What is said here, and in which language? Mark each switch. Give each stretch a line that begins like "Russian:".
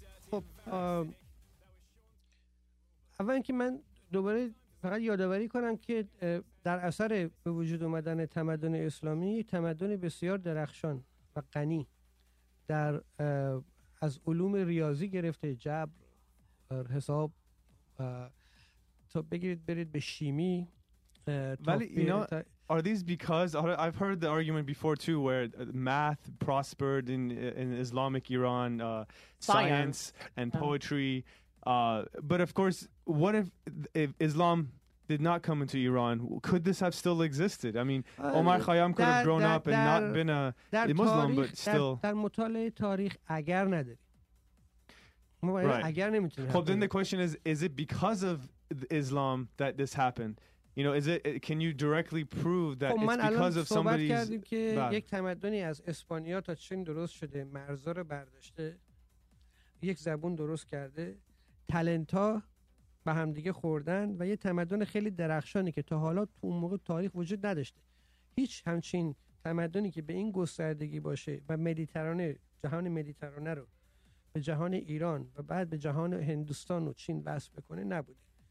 Persian: خب اول اینکه من دوباره فقط یادآوری کنم که در اثر به وجود اومدن تمدن اسلامی، تمدن بسیار درخشان و غنی در از علوم ریاضی گرفته جبر، حساب، تا بگیرید برید به شیمی.
English: Well, you know, are these because I've heard the argument before too, where math prospered in Islamic Iran, science and poetry. But of course, what if Islam did not come into Iran? Could this have still existed? I mean, Omar Khayyam could have grown up and not been a Muslim, but still.
Persian: در مطالعه تاریخ اگر نداری، اگر نمیتونی.
English: Well, then the question is it because of Islam that this happened? You know, is it? Can you directly prove that it's because of somebody's?
Persian: خب من الان صحبت کردیم که یک تمدنی از اسپانیا تا چین درست شده، مرزا رو برداشته، یک زبون درست کرده، تلنتا به همدیگه خوردن و یه تمدن خیلی درخشانی که تا حالا تو اون موقع تاریخ وجود نداشته. هیچ همچین تمدنی که به این گستردگی باشه و مدیترانه، جهان مدیترانه رو به جهان ایران و بعد به جهان هندوستان و چین وصل بکنه نبوده.